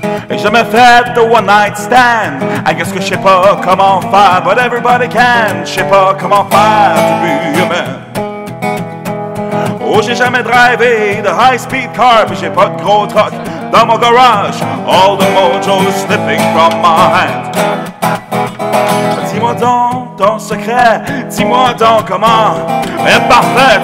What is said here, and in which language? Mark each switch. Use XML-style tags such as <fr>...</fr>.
<fr>J'ai jamais fait de one night stand.</fr> <en>I guess</en> <fr>que je sais pas comment faire.</fr> <en>But everybody can.</en> <fr>Je sais pas comment faire du but humain. Oh, j'ai jamais drivé de</fr> <en>high speed car.</en> <fr>Puis j'ai pas de gros truck dans mon garage.</fr> <en>All the mojo is slipping from my hand.</en> <fr>Dis-moi donc ton secret. Dis-moi donc comment être parfait.</fr>